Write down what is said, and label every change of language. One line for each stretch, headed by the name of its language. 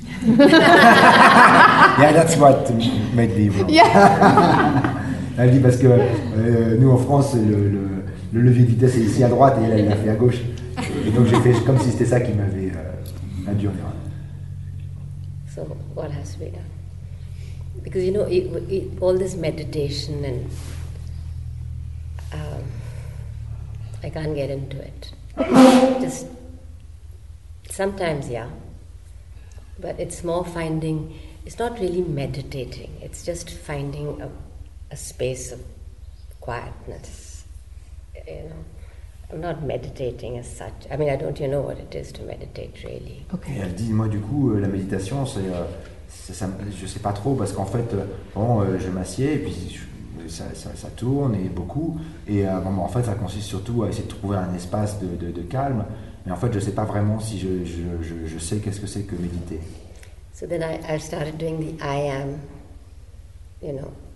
English: Yeah, that's what made me wrong. Yeah.
French: Elle dit parce que nous en France, le levier de vitesse est ici à droite et là, il l'a fait à gauche. Et donc j'ai fait comme si c'était ça qui m'avait induit en erreur.
English: So, what has to be done? Because you know, all this meditation and I can't get into it. Just sometimes, yeah. But it's more finding. It's not really meditating. It's just finding a space of quietness. You know, I'm not meditating as such. I mean, I don't. You know what it is to meditate, really. Okay.
French: Et elle dit, moi, du coup, la méditation, c'est. Ça, je sais pas trop parce qu'en fait, bon, je m'assieds et puis ça tourne et beaucoup. Et bon, en fait, ça consiste surtout à essayer de trouver un espace de calme. Mais en fait, je sais pas vraiment si je sais qu'est-ce que c'est que méditer.
English: So then I started doing the I am, you know.